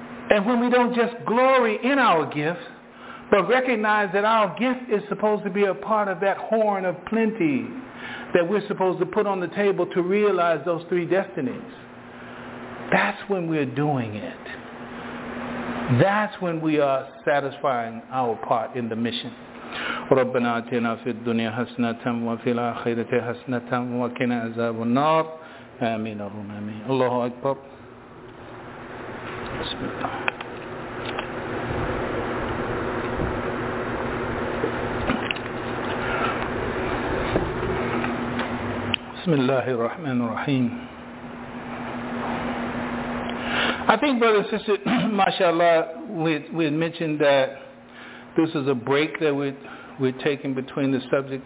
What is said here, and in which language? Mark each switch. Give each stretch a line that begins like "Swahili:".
English: And when we don't just glory in our gifts, but recognize that our gift is supposed to be a part of that horn of plenty that we're supposed to put on the table to realize those three destinies, that's when we're doing it. That's when we are satisfying our part in the mission.
Arabic: ربنا آتنا في الدنيا حسنة وفي الآخرة حسنة وقنا عذاب النار آمين اللهم آمين الله أكبر بسم الله بسم الله الرحمن الرحيم
English: I think, brother and sister, mashallah, we had mentioned that this is a break that we're taking between the subject.